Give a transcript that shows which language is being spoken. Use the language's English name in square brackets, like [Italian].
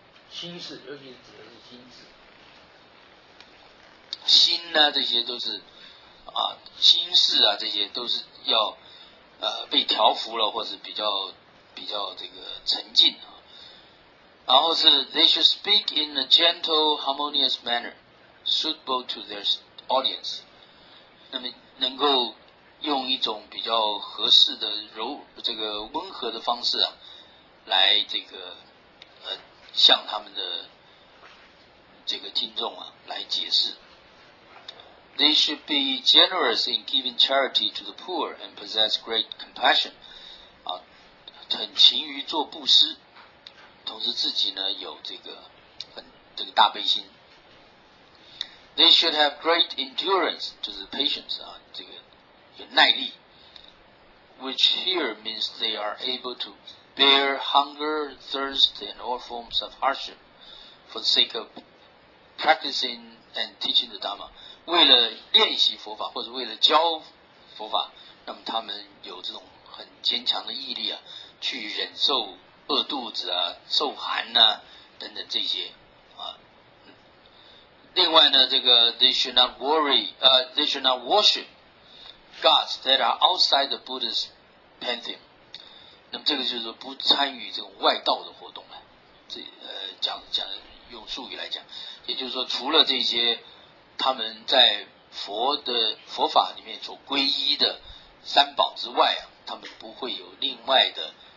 [Chinese] 心事，尤其指的是心事，心呢、啊、这些都是啊，心事啊这些都是要被调伏了，或是比较这个沉静啊。然后是 [English] they should speak in a gentle, harmonious manner, suitable to their audience。 [Chinese] 那么能够用一种比较合适的这个温和的方式啊，来这个向他们的这个听众啊来解释。 [English] They should be generous in giving charity to the poor and possess great compassion。 [Chinese] 很勤于做布施，同时自己呢有这个大悲心。 [English] They should have great endurance, [Chinese] 就是 patience 啊，这个有耐力 [English] ，which here means they are able to bear hunger, thirst, and all forms of hardship for the sake of practicing and teaching the Dharma。 [Chinese] 为了练习佛法或者为了教佛法，那么他们有这种很坚强的毅力啊。去忍受饿肚子啊，受寒啊等等这些啊。另外呢，这个 [English] they should not worship gods that are outside the Buddha's pantheon。 [Chinese] 那么这个就是不参与这种外道的活动了、啊。讲用术语来讲，也就是说，除了这些他们在佛法里面所皈依的三宝之外啊，他们不会有另外的。